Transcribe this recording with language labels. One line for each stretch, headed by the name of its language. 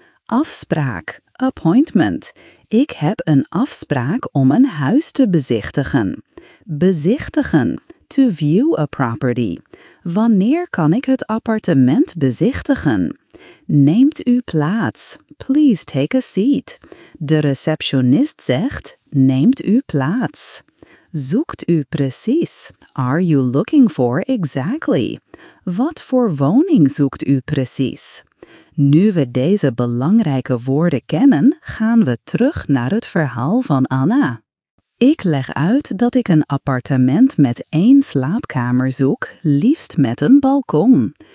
Dutch: Afspraak, appointment. Ik heb een afspraak om een huis te bezichtigen. Bezichtigen,
English: to view a property.
Dutch: Wanneer kan ik het appartement bezichtigen? Neemt u plaats,
English: please take a seat.
Dutch: De receptionist zegt, neemt u plaats. Zoekt u precies,
English: are you looking for exactly?
Dutch: Wat voor woning zoekt u precies? Nu we deze belangrijke woorden kennen, gaan we terug naar het verhaal van Anna. Ik leg uit dat ik een appartement met één slaapkamer zoek, liefst met een balkon.